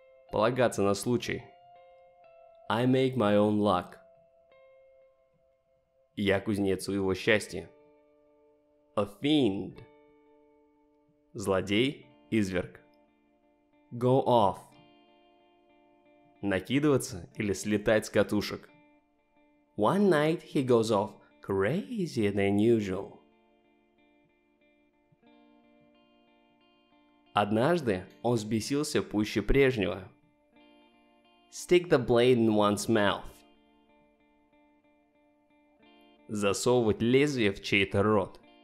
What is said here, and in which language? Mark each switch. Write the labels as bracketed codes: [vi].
[ru] Полагаться на случай. [en] I make my own luck. [ru] Я кузнец своего счастья. [en] A fiend. [ru] Злодей, изверг. [en] Go off. [ru] Накидываться или слетать с катушек. [en] One night he goes off crazier than usual. [ru] Однажды он взбесился пуще прежнего. [en] Stick the blade in one's mouth. [ru] Засовывать лезвие в чей-то рот.